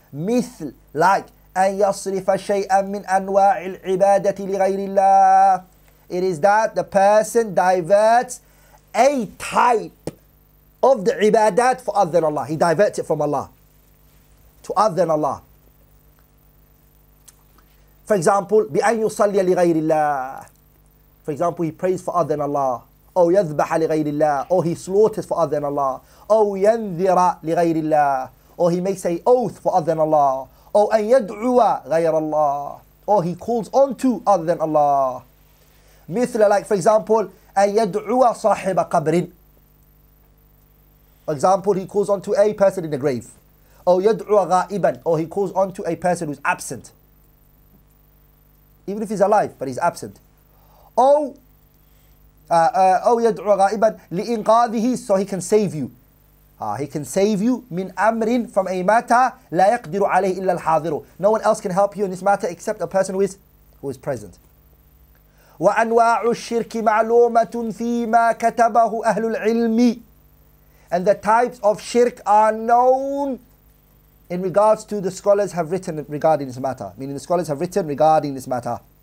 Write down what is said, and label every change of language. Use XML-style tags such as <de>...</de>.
<ar>مثل,</ar> <en>like,</en> <ar>أن يصرف شيئا من أنواع العبادة لغير الله.</ar> <en>It is that the person diverts a type of the ibadat for other than Allah. He diverts it from Allah to other than Allah. For example,</en> <ar>بأن يصلي لغير الله.</ar> <en>For example, he prays for other than Allah.</en> <ar>أو يذبح لغير الله.</ar> <en>Or he slaughters for other than Allah.</en> <ar>أو ينذر لغير الله.</ar> <en>Or he makes an oath for other than Allah.</en> <ar>أو أن يدعو غير الله.</ar> <en>Or he calls on to other than Allah.</en> <ar>مثل,</ar> <en>like, for example,</en> <ar>أن يدعو صاحب قبر.</ar> <en>For example, he calls on to a person in the grave.</en> <ar>أو يدعو غائبا.</ar> <en>Or he calls on to a person who's absent. Even if he's alive, but he's absent.</en> <ar>أو يدعو غائبا لإنقاذه,</ar> <en>so he can save you. He can save you</en> <ar>من أمر,</ar> <en>from a matter</en> <ar>لا يقدر عليه إلا الحاضر.</ar> <en>No one else can help you in this matter except a person who is present.</en> <ar>وأنواع الشرك معلومة فيما كتبه أهل العلم.</ar> <en>And the types of shirk are known in regards to the scholars have written regarding this matter. Meaning the scholars have written regarding this matter.</en>